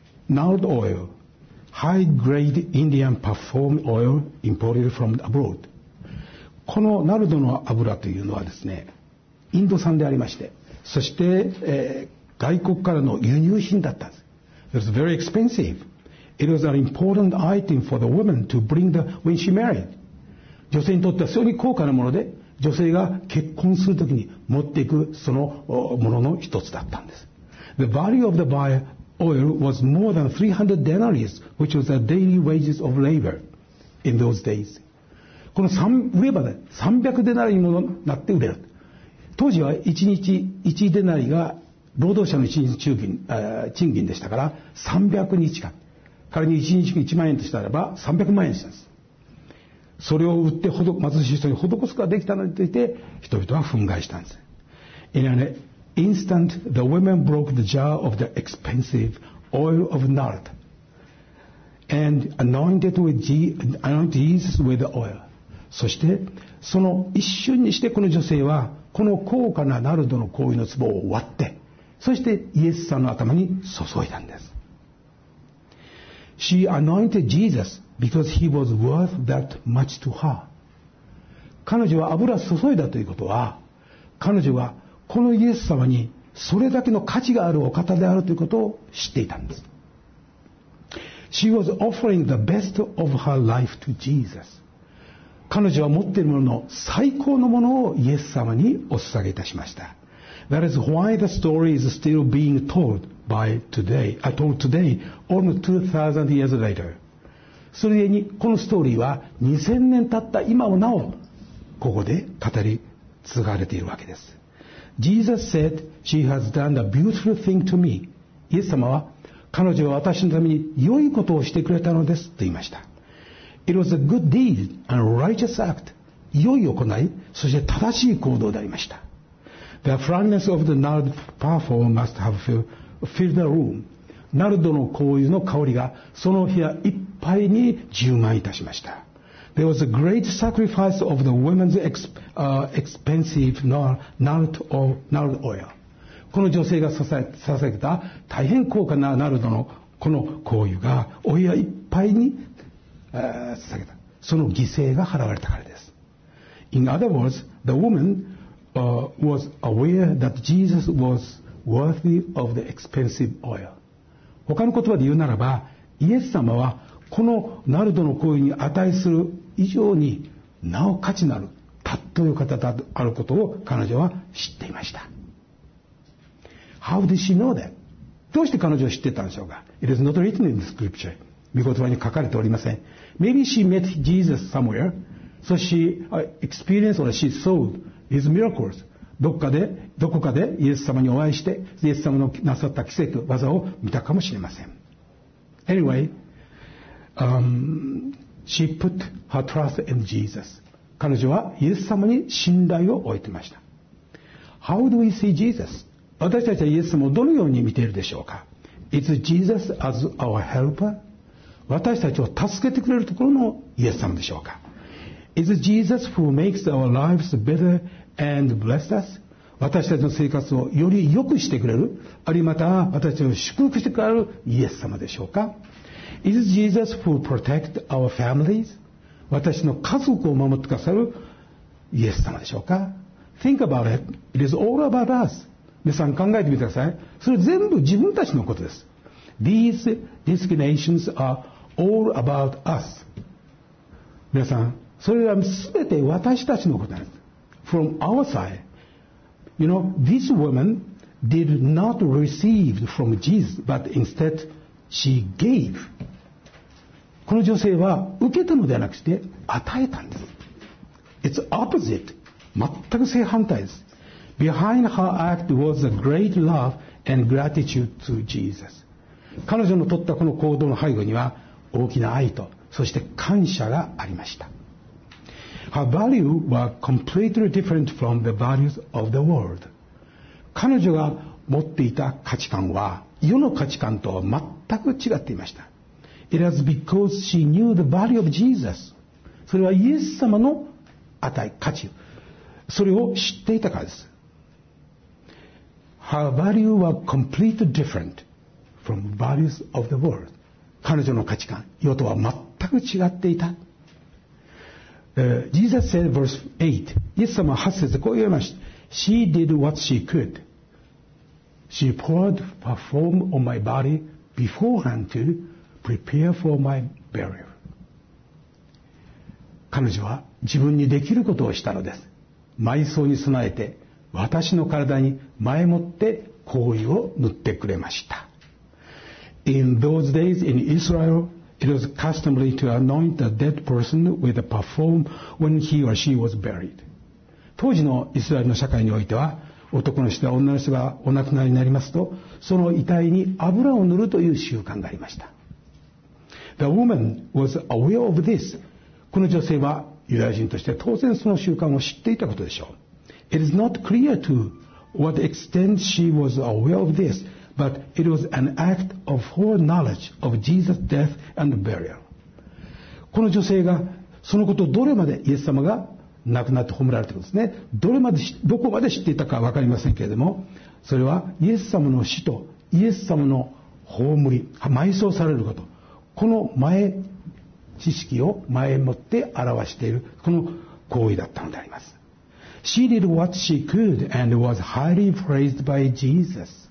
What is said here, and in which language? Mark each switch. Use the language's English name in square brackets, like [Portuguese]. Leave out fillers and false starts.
[English] Nard oil, high grade Indian perfume oil imported from abroad. [Japanese] このナルドの油というのはですね、インド産でありまして、そして、外国からの輸入品だったんです。 [English] It was very expensive. It was an important item for the woman to bring the, when she married. [Japanese] 女性にとっては非常に高価なもので、女性が結婚するときに持っていくそのものの一つだったんです。 [English] The value of the oil was more than 300 denarius, which was the daily wages of labor in those days. [Japanese] この売れば、ね、300デナリにもなって売れる。当時は1日1デナリが労働者の一日中金、賃金でしたから300日間。仮に1日1万円としたらば300万円したんです。それを売って貧しい人に施すことができたのについて人々は憤慨したんです。 [English] In an instant, the women broke the jar of the expensive oil of nard and anointed Jesus with the oil. [Japanese] そしてその一瞬にしてこの女性はこの高価なナルドの香油の壺を割って、そしてイエスさんの頭に注いだんです。 [English] She anointed Jesus because he was worth that much to her. [Japanese] 彼女は油注いだということは、彼女はこのイエス様にそれだけの価値があるお方であるということを知っていたんです。 [English] She was offering the best of her life to Jesus. [Japanese] 彼女は持っているものの最高のものをイエス様にお捧げいたしました。 [English] That is why the story is still being told by today, told today, almost 2,000 years later. [Japanese] それゆえにこのストーリーは2000年経った今もなおここで語り継がれているわけです。 [English] Jesus said, She has done a beautiful thing to me. [Japanese] イエス様は彼女は私のために良いことをしてくれたのですと言いました。 [English] It was a good deed and righteous act. [Japanese] 良い行い、そして正しい行動でありました。 [English] The fragrance of the nard perfume must have filled the room. [Japanese] ナルドの香油の香りがその部屋いっぱいに充満いたしました。 [English] There was a great sacrifice of the women's expensive nard oil. [Japanese] この女性が捧げた大変高価なナルドのこの香油がお部屋いっぱいに捧げた。その犠牲が払われたからです。 [English] In other words, the womanwas aware that Jesus was worthy of the expensive oil. [Japanese] 他の言葉で言うならば、イエス様はこのナルドの行為に値する以上になお価値のあるたっという方であることを彼女は知っていました。 [English] How did she know that? [Japanese] どうして彼女は知ってたんでしょうか。 [English] It is not written in the scripture. [Japanese] 御言葉に書かれておりません。 [English] Maybe she met Jesus somewhere. So she experienced or she saw. His miracles. [Japanese] どこかでイエス様にお会いしてイエス様のなさった奇跡技を見たかもしれません。 [English] Anyway, she put her trust in Jesus. [Japanese] 彼女はイエス様に信頼を置いてました。 [English] How do we see Jesus? [Japanese] 私たちはイエス様をどのように見ているでしょうか。 [English] Is Jesus as our helper? [Japanese] 私たちを助けてくれるところのイエス様でしょうか。 [English] Is Jesus who makes our lives better and bless us? [Japanese] 私たちの生活をより良くしてくれる、あるいはまた私たちを祝福してくれるイエス様でしょうか。 [English] Is Jesus who protects our families? [Japanese] 私の家族を守ってくださるイエス様でしょうか。 [English] Think about it. It is all about us. [Japanese] 皆さん考えてみてください。それ全部自分たちのことです。 [English] These designations are all about us. [Japanese] 皆さん、それらすべて私たちのことなんです。 [English] From our side, you know, this woman did not receive from Jesus, but instead she gave. [Japanese] この女性は受けたのではなくして与えたんです。 [English] It's opposite. [Japanese] 全く正反対です。 [English] Behind her act was a great love and gratitude to Jesus. [Japanese] 彼女の取ったこの行動の背後には大きな愛とそして感謝がありました。 [English] Her value was completely different from the values of the world. [Japanese] 彼女が持っていた価値観は世の価値観とは全く違っていました。 [English] It was because she knew the value of Jesus. [Japanese] それはイエス様の値、価値、それを知っていたからです。 [English] Her value was completely different from values of the world. [Japanese] 彼女の価値観、世とは全く違っていた。 [English] Jesus said verse 8. [Japanese] イエス様は8節でこう言いました。 [English] She did what she could. She poured her form on my body beforehand to prepare for my burial. [Japanese] 彼女は自分にできることをしたのです。埋葬に備えて私の体に前もって香油を塗ってくれました。 [English] In those days in Israel,It was customary to anoint a dead person with a perfume when he or she was buried. [Japanese] 当時のイスラエルの社会においては、男の人や女の人がお亡くなりになりますと、その遺体に油を塗るという習慣がありました。 [English] The woman was aware of this. [Japanese] この女性はユダヤ人として当然その習慣を知っていたことでしょう。 [English] It is not clear to what extent she was aware of this. But it was an act of foreknowledge of Jesus' death and burial. [Japanese] この女性がそのことをどれまでイエス様が亡くなって葬られたことですね。どこまで知っていたかは分かりませんけれども、それはイエス様の死とイエス様の葬り、埋葬されること、この前知識を前もって表している、この行為だったのであります。 [English] She did what she could and was highly praised by Jesus.